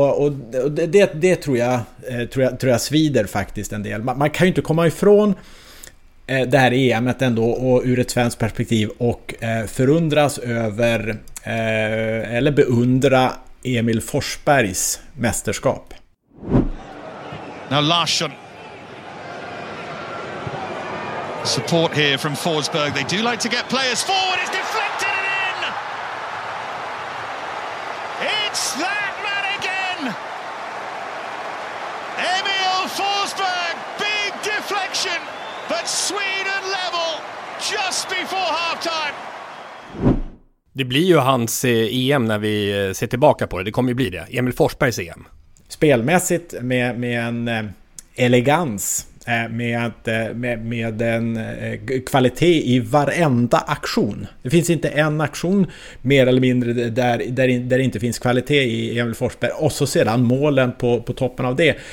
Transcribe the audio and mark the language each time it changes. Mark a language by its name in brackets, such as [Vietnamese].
[Swedish] Och det tror jag svider faktiskt en del. Man kan ju inte komma ifrån det här EM:et ändå, och ur ett svenskt perspektiv, och förundras över eller beundra Emil Forsbergs mästerskap. [English] Now Larsson. Support here from Forsberg. They do like to get players forward. It's deflected in. It's that man again. Emil Forsberg, big deflection. But Sweden level just before halftime. [Swedish] Det blir ju hans EM när vi ser tillbaka på det. Det kommer ju bli det. Emil Forsbergs EM. Spelmässigt med en elegans, med en kvalitet i varenda aktion. Det finns inte en aktion mer eller mindre där det inte finns kvalitet i Emil Forsberg, och så sedan målen på toppen av det.